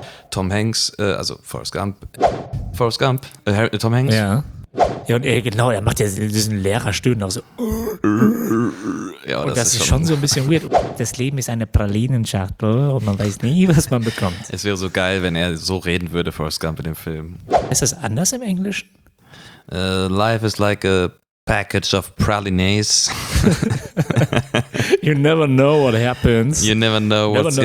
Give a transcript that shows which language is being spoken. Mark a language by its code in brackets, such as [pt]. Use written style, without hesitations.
[de] Tom Hanks, also Forrest Gump. Forrest Gump, Tom Hanks. Ja. Ja, und er, genau, er macht ja diesen Lehrerstöhnen auch so. Ja, und das ist schon so ein bisschen weird. Das Leben ist eine Pralinenschachtel und man weiß nie, was man bekommt. Es wäre so geil, wenn er so reden würde, Forrest Gump, in dem Film. Ist das anders im Englischen? [en] Life is like a package of pralines. You never know what happens. You never know what's never know.